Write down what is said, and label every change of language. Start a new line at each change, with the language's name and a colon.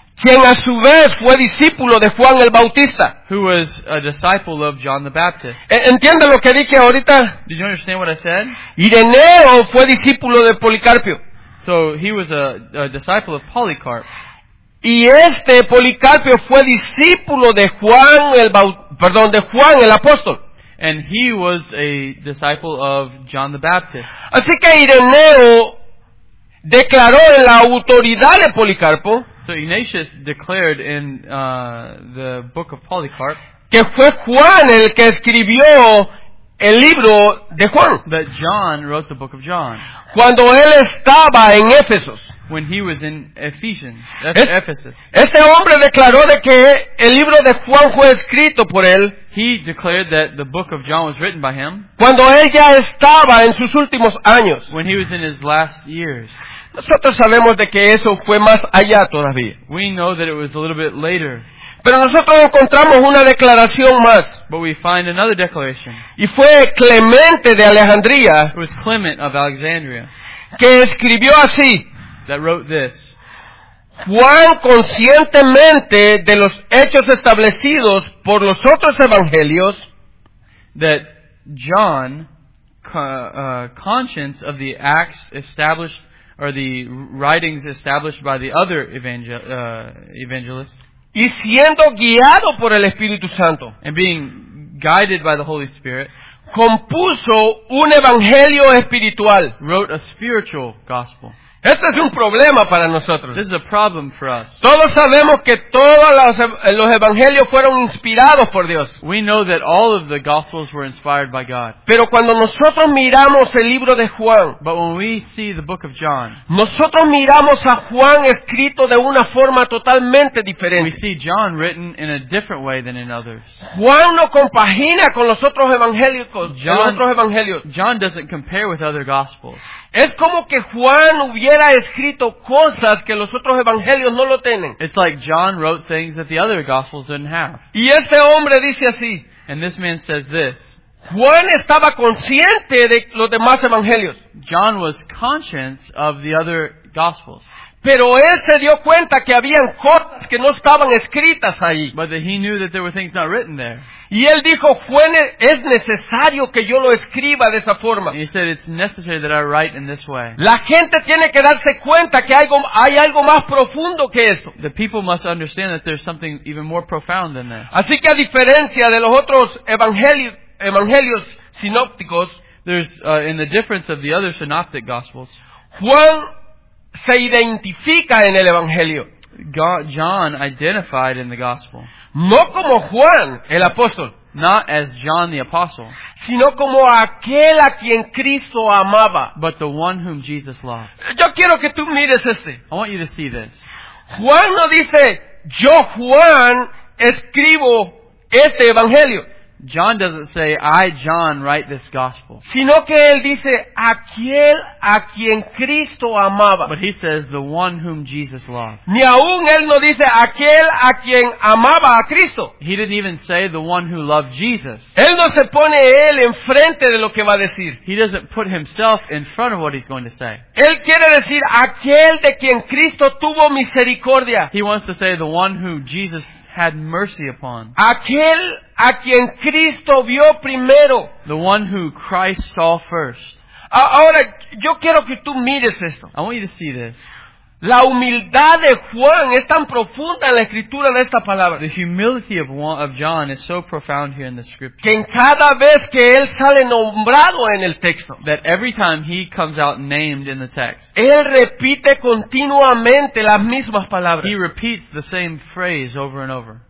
Spanish: Quien a su vez fue discípulo de Juan el Bautista.
English: Who was a disciple of John the Baptist.
Spanish: ¿Entiende lo que dije ahorita?
English: Did you understand what I said?
Spanish: Ireneo fue discípulo de Policarpio.
English: So he was a disciple of Polycarp.
Spanish: Y este Policarpio fue discípulo de Juan el apóstol.
English: And he was a disciple of John the Baptist.
Spanish: Así que Ireneo declaró en la autoridad de Policarpo.
English: So Ignatius declared in the book of Polycarp
Spanish: que fue Juan el que escribió el libro de Juan.
English: That John wrote the book of John.
Spanish: Cuando él estaba en Éfeso.
English: When he was in Ephesians, Ephesus.
Spanish: Este hombre declaró de que el libro de Juan fue escrito por él.
English: He declared that the book of John was written by him.
Spanish: Cuando él ya estaba en sus últimos años.
English: When he was in his last years.
Spanish: Nosotros sabemos de que eso fue más allá todavía.
English: We know that it was a little bit later.
Spanish: Pero nosotros encontramos una declaración más.
English: But we find another declaration.
Spanish: Y fue Clemente de Alejandría.
English: It was Clement of Alexandria.
Spanish: Que escribió así.
English: That wrote this.
Spanish: Juan, conscientemente de los hechos establecidos por los otros evangelios,
English: that John, conscience of the acts established or the writings established by the other evangelists,
Spanish: y siendo guiado por el Espíritu Santo,
English: and being guided by the Holy Spirit,
Spanish: compuso un evangelio espiritual,
English: wrote a spiritual gospel.
Spanish: Este es un problema para nosotros.
English: This is a problem for us.
Spanish: Todos sabemos que todos los evangelios fueron inspirados por Dios.
English: We know that all of the gospels were inspired by God.
Spanish: Pero cuando nosotros miramos el libro de Juan,
English: but when we see the book of John,
Spanish: nosotros miramos a Juan escrito de una forma totalmente diferente.
English: We see John written in a different way than in others.
Spanish: Juan no compagina con los otros evangélicos, con otros evangelios.
English: John doesn't compare with other gospels.
Spanish: Es como que Juan hubiera escrito cosas que los otros evangelios no lo tienen.
English: It's like John wrote things that the other gospels didn't have.
Spanish: Y este hombre dice así.
English: And this man says this.
Spanish: Juan estaba consciente de los demás evangelios.
English: John was conscious of the other gospels.
Spanish: Pero él se dio cuenta que habían cosas que no estaban escritas ahí.
English: But he knew that there were things not written there.
Spanish: Y él dijo, es necesario que yo lo escriba de esa forma.
English: He said, it's necessary that I write in this way.
Spanish: La gente tiene que darse cuenta que hay algo más profundo que esto.
English: The people must understand that there's something even more profound than that.
Spanish: Así que a diferencia de los otros evangelios sinópticos,
English: there's in the difference of the other synoptic gospels,
Spanish: Juan se identifica en el evangelio.
English: John identified in the gospel.
Spanish: No como Juan el apóstol,
English: not as John the apostle,
Spanish: sino como aquel a quien Cristo amaba,
English: but the one whom Jesus loved.
Spanish: Yo quiero que tú mires este.
English: I want you to see this.
Spanish: Juan no dice, yo Juan escribo este evangelio.
English: John doesn't say, I, John, write this gospel.
Spanish: Sino que él dice, aquel a quien Cristo amaba.
English: But he says, the one whom Jesus loved.
Spanish: Ni aún él no dice, aquel a quien amaba a Cristo.
English: He didn't even say, the one who loved Jesus.
Spanish: Él no se pone él enfrente de lo que va a decir.
English: He doesn't put himself in front of what he's going to say.
Spanish: Él quiere decir, aquel de quien Cristo tuvo misericordia.
English: He wants to say, the one who Jesus had mercy upon.
Spanish: Aquel a quien Cristo vio primero.
English: The one who Christ saw first.
Spanish: Ahora, yo quiero que tú mires esto.
English: I want you to see this.
Spanish: La humildad de Juan es tan profunda en la escritura de esta palabra.
English: The humility of John is so profound here in the scripture.
Spanish: Que en cada vez que él sale nombrado en el texto,
English: that every time he comes out named in the text,
Spanish: él repite continuamente las mismas palabras.
English: He repeats the same phrase over and over.